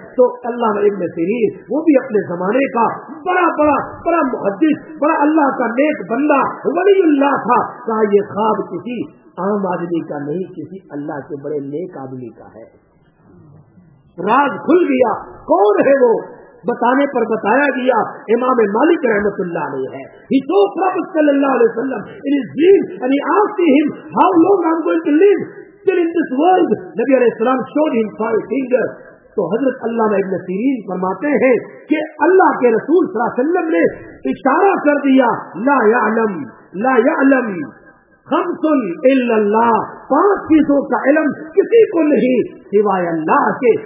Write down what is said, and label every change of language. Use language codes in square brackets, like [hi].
[ur] تو علامہ ابن سیرین وہ بھی اپنے زمانے کا بڑا بڑا بڑا محدث، بڑا اللہ کا نیک بندہ، ولی اللہ تھا، کہا یہ خواب کسی عام آدمی کا نہیں، کسی اللہ کے بڑے نیک آدمی کا ہے. راز کھل گیا، کون ہے وہ، بتانے پر بتایا گیا امام مالک رحمت اللہ علیہ ہے. [en] He told Prophet صلی اللہ علیہ وسلم in his dream and he asked him how long I'm going to live still in this world. نبی علیہ السلام showed him five fingers. [ur] تو حضرت علامہ ابن سیرین فرماتے ہیں کہ اللہ کے رسول صلی اللہ علیہ وسلم نے اشارہ کر دیا [ar] لا یعلم لا یعلم خمس الا اللہ، [ur] پانچ چیزوں کا علم کسی کو نہیں سوائے اللہ کے.